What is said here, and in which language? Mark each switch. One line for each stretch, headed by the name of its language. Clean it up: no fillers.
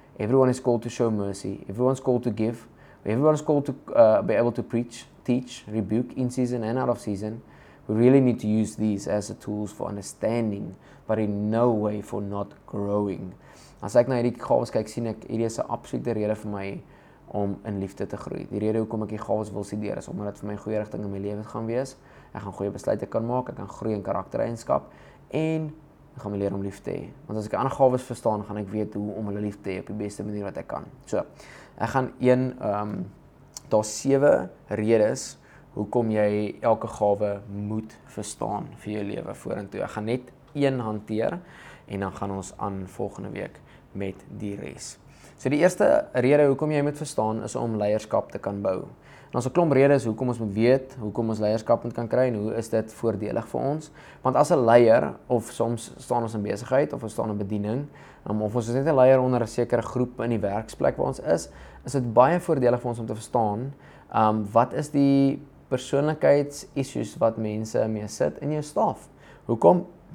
English: Everyone is called to show mercy. Everyone's called to give. Everyone's called to be able to preach, teach, rebuke in season and out of season. We really need to use these as the tools for understanding, but in no way for not growing.
Afrikaans: As ek na hierdie gawes kyk, sien ek hierdie is 'n absolute rede vir my om in liefde te groei. Die rede hoekom ek hierdie gawes wil studeer is omdat dit vir my 'n goeie rigting in my lewe gaan wees. Ek gaan goeie besluite kan maak, ek gaan groei in karaktereienskap. En ek gaan my leer om lief te hê. Want as ek ander gawes verstaan, gaan ek weet hoe om hulle lief te hê op die beste manier wat ek kan. So, ek gaan een, daar's 7 redes hoekom jy elke gawe moet verstaan vir jou lewe vorentoe. Ek gaan net een hanteer en dan gaan ons aan volgende week met die res. So die eerste rede hoekom jy moet verstaan is om leierskap te kan bou. En ons 'n klomp redes hoekom ons moet weet, hoekom ons leierskap moet kan kry en hoe is dit voordelig vir ons. Want as 'n leier, of soms staan ons in besigheid, of ons staan in bediening, of ons is net 'n leier onder 'n sekere groep in die werksplek waar ons is, is dit baie voordelig vir ons om te verstaan, wat is die persoonlikheidsissues wat mense mee sit in jou staf. Hoekom?